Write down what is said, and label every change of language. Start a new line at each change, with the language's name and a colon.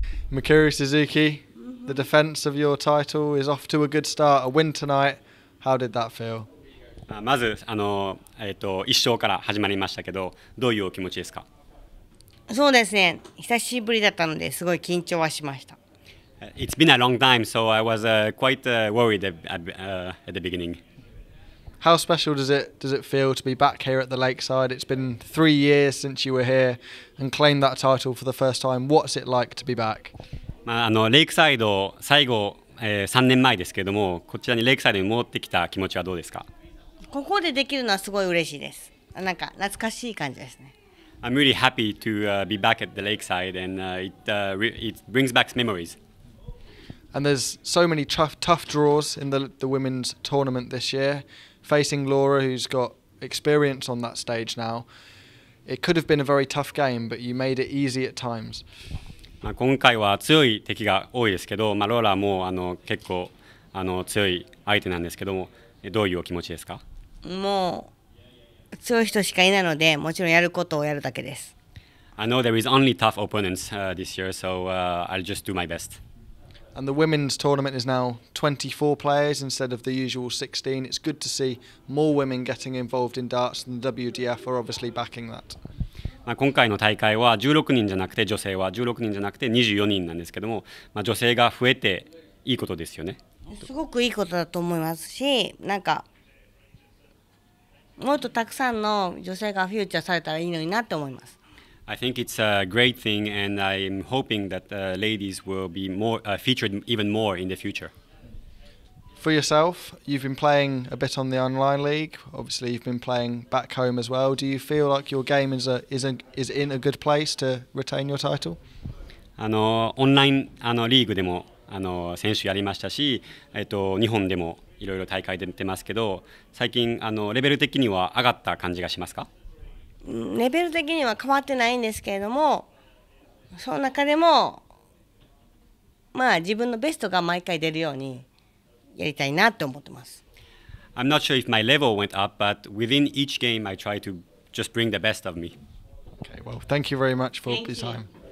English: Mikuru Suzuki, the defence of your title is off to a good start. A win tonight. How did that feel?
Japanese: まず、1勝から始まりましたけど、どういうお気持ちですか？そうですね。久しぶりだったので、すごい緊張はしました。
English: It's been a long time, so I was quite worried at the beginning. How special does it feel to be back here at the Lakeside? It's been 3 years since you were here and claimed that title for the first time. What's it like to be back?
Japanese: まあ、レイクサイド、最後、3年前ですけれども、こちらにレイクサイドに戻ってきた気持ちはどうですか？ここでできるのはすごい嬉しいです。なんか懐かしい感じですね。
English: I'm really happy to be back at the Lakeside and it brings back memories. And there's so many tough draws in the women's tournament this year. Facing Laura, who's got experience on that stage now. It could have been a very tough game, but you made it easy at times.
Japanese: まあ今回は強い敵が多いですけど、まあ、ローラも結構強い相手なんですけども、どういうお気持ちですか？もう強い人しかいないので、もちろんやることをやるだけです。
English: I know there is only tough opponents this year, so I'll just do my best. And the women's tournament is now 24 players instead of the usual 16. It's good to see more women getting involved in darts, and the WDF are obviously backing that.
Japanese: まあ今回の大会は16人じゃなくて、女性は16人じゃなくて24人なんですけども、まあ、女性が増えていいことですよね。すごくいいことだと思いますし、なんかもっとたくさんの女性がフューチャーされたらいいのになって思います。
English: I think it's a great thing and I'm hoping that ladies will be more featured even more in the future. For yourself, you've been playing a bit on the online league. Obviously you've been playing back home as well. Do you feel like your game is in a good place to retain your title?
Japanese: オンラインリーグでも選手やりましたし、日本でもいろいろ大会で出てますけど、最近レベル的には上がった感じがしますか？レベル的には変わってないんですけれども、その中でも、まあ、自分のベストが毎回出るようにやりたいなと思ってます。
English: I'm not sure if my level went up, but within each game I try to just bring the best of me. Okay, well, thank you very much for this time.